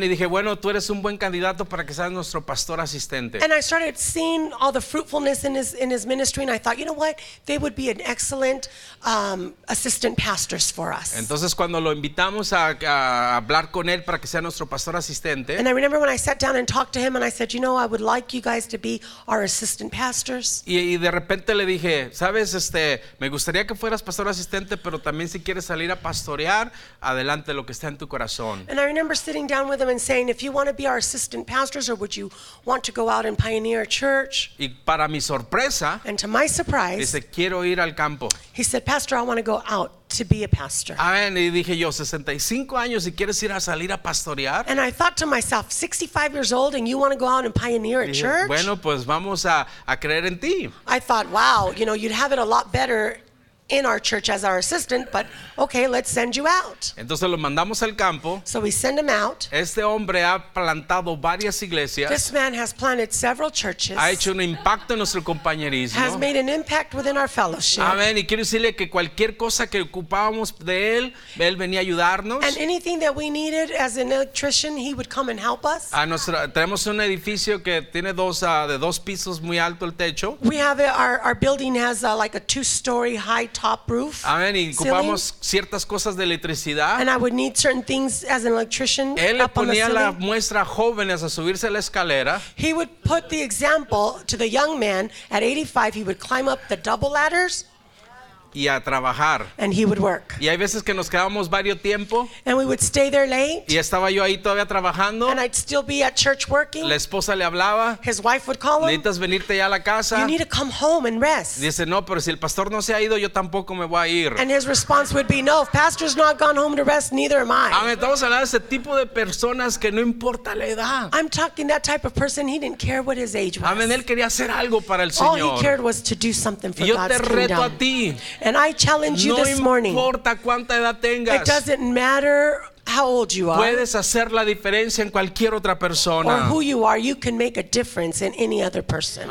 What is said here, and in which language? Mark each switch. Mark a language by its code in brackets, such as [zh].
[es] Y dije, bueno, tú eres un buen candidato para que seas nuestro pastor asistente. [en] And I started seeing all the fruitfulness in his ministry, and I thought, you know what? They would be an excellent assistant pastors for us. [es] Entonces cuando lo invitamos a hablar con él para que sea nuestro pastor asistente. [en] And I remember when I sat down and talked to him, and I said, you know, I would like you guys to be our assistant pastors. [es] Y de repente le dije, sabes, me gustaría que fueras pastor asistente, pero también si quieres salir a pastorear, adelante lo que está en tu corazón. [en] And I remember sitting down with him and saying, if you want to be our assistant pastors, or would you want to go out and pioneer a church? [es] Y para mi sorpresa, [en] and to my surprise, [es] dice, quiero ir al campo. [en] He said, Pastor, I want to go out to be a pastor. [es] Amen. Y dije yo, 65 años y quieres ir a salir a pastorear? [en] And I thought to myself, 65 years old and you want to go out and pioneer a [es] dije, [en] church? [es] Bueno, pues vamos a creer en ti. [en] I thought, wow, you know, you'd have it a lot better in our church as our assistant, but okay, let's send you out. [es] Entonces lo mandamos al campo. [en] So we send him out. [es] Este hombre ha plantado varias iglesias. [en] This man has planted several churches. [es] Ha hecho un impacto en nuestro compañerismo. [en] Has made an impact within our fellowship. [es] Amen. Y quiero decirle que cualquier cosa que ocupábamos de él, él venía a ayudarnos. [en] And anything that we needed as an electrician, he would come and help us. [es] Tenemos un edificio que tiene dos pisos muy alto el techo. [en] We have our building has like a two-story high top roof. [es] Amen. Y ocupamos ciertas cosas de electricidad. [en] And I would need certain things as an electrician. [es] Él le ponía la muestra a jóvenes a subirse la escalera. [en] He would put the example to the young man at 85. He would climb up the double ladders. [es] y a trabajar. [en] And he would work. [es] Y hay veces que nos quedábamos varios tiempo. [en] And we would stay there late. [es] Y estaba yo ahí todavía trabajando. [en] And I'd still be at church working. [es] La esposa le hablaba. [en] His wife would call him. [es] Necesitas venirte ya a la casa. [en] You need to come home and rest. [es] Dice, no, pero si el pastor no se ha ido, yo tampoco me voy a ir. [en] And his response would be, no, if pastor's not gone home to rest, neither am I. [es] Estamos hablando de ese tipo de personas que no importa la edad. [en] I'm talking that type of person. He didn't care what his age was. [es] Amen. Él quería hacer algo para el Señor. [en] All he cared was to do something for [es] yo [en] God's [es] te reto [en] kingdom. [es] A ti. [en] And I challenge you [es] no [en] this morning. [es] Importa cuánta edad tengas. [en] It doesn't matter how old you are. [es] Puedes hacer la diferencia en cualquier otra persona. [en] Or who you are, you can make a difference in any other person.